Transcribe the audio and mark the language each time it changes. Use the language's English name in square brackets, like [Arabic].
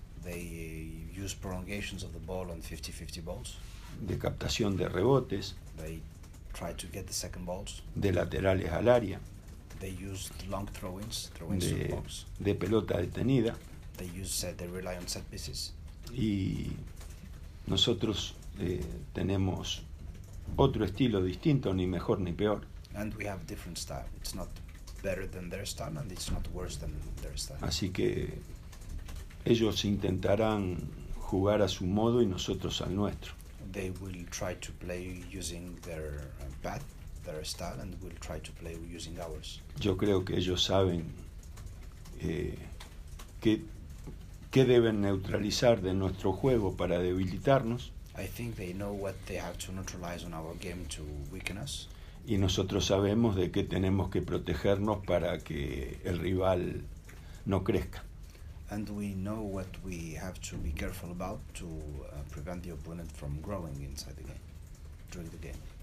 [English] They use prolongations of the ball on 50-50 balls. [Spanish] De captación de rebotes. [English] They try to get the second balls. [Spanish] De laterales al área. [English] They use long throw-ins to the box. [Spanish] De pelota detenida. [English] They rely on set pieces. [Spanish] Y nosotros tenemos otro estilo distinto, ni mejor ni peor. [English] And we have different style. It's not better than their style, and it's not worse than their style. [Spanish] Así que ellos intentarán jugar a su modo y nosotros al nuestro. [English] They will try to play using their path, their style, and we'll try to play using ours. [Spanish] Yo creo que ellos saben qué deben neutralizar de nuestro juego para debilitarnos. [English] I think they know what they have to neutralize on our game to weaken us. [Spanish] Y nosotros sabemos de qué tenemos que protegernos para que el rival no crezca. [English] And we know what we have to be careful about to prevent the opponent from growing inside the game, during the game.